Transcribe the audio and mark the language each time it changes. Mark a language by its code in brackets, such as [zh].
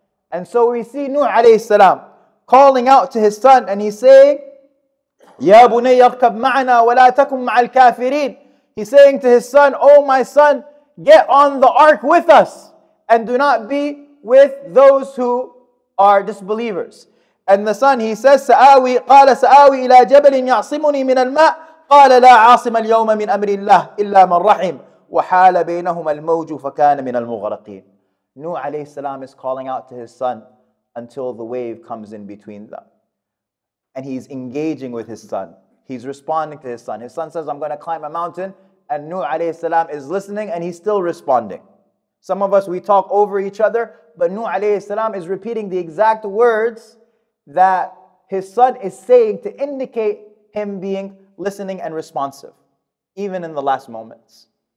[en] And so we see Nuh alayhi salam calling out to his son and he's saying, [ar] يَا بُنَيَّ اَرْكَبْ مَعَنَا وَلَا تَكُمْ مَعَ الْكَافِرِينَ. [en] He's saying to his son, oh my son, get on the ark with us and do not be with those who are disbelievers. And the son, he says, [ar] سَآوِي قَالَ سَآوِي إِلَى جَبَلٍ يَعْصِمُنِي مِنَ الْمَاءِ قَالَ لَا عَاصِمَ الْيَوْمَ مِنْ أَمْرِ اللَّهِ إِلَّا مَنْ رَحِمْ وَحَالَ بَيْنَهُمَ الْمَوْجُ فَكَانَ مِنَ الْمُغْرَقِينَ. [en] Nuh alayhi salam is calling out to his son until the wave comes in between them. And he's engaging with his son. He's responding to his son. His son says, I'm going to climb a mountain. And Nuh alayhi salam is listening and he's still responding. Some of us, we talk over each other, but Nuh alayhi salam is repeating the exact words that his son is saying to indicate him being listening and responsive, even in the last moments.